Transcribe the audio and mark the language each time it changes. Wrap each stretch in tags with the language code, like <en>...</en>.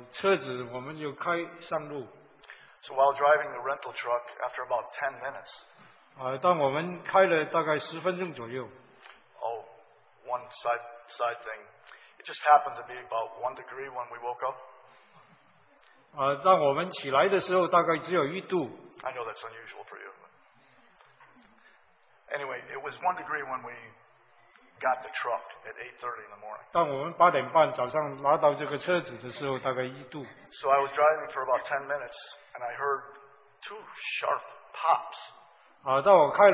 <zh>我们父子就租了一部车子，我们就开上路。</zh> <en>So while driving the rental truck, after about 10 minutes,</en> <zh>当我们开了大概10分钟左右,</zh> <en>one side thing, it just happened to be about 1 degree when we woke up.</en> <zh>当我们起来的时候大概只有一度,</zh> <en>I know that's unusual for you. But anyway, it was 1 degree when we got the truck at 8:30 in the morning.</en> <zh>当我们8点半早上拿到这个车子的时候大概一度,</zh> <en>so I was driving for about 10 minutes, and I heard two sharp pops.</en>